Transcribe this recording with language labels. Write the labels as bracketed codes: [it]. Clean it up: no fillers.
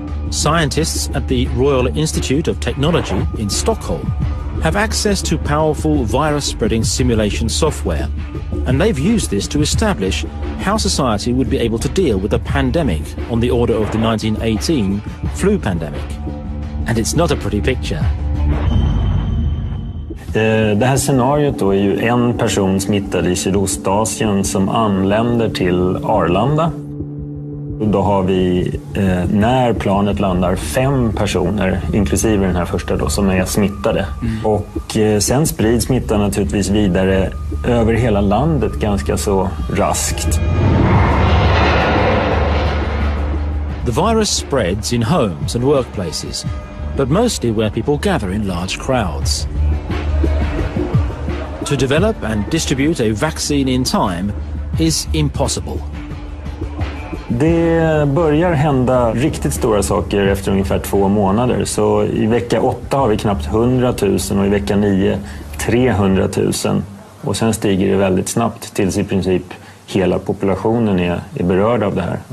[en] Scientists at the Royal Institute of Technology in Stockholm have access to powerful virus-spreading simulation software, and they've used this to establish how society would be able to deal with a pandemic on the order of the 1918 flu pandemic. And it's not a pretty picture. [sv] Det här scenariot då är ju en person smittad i Sydostasien som anländer till Arlanda. Då har vi, när planet landar, fem personer, inklusive den här första då, som är smittade. Mm. Och sen sprids smittan naturligtvis vidare över hela landet ganska så raskt. [en] The virus spreads in homes and workplaces, but mostly where people gather in large crowds. To develop and distribute a vaccine in time is impossible. [sv] Det börjar hända riktigt stora saker efter ungefär två månader. Så i vecka 8 har vi knappt 100 000, och i vecka 9 300 000. Och sen stiger det väldigt snabbt tills i princip hela populationen är berörd av det här.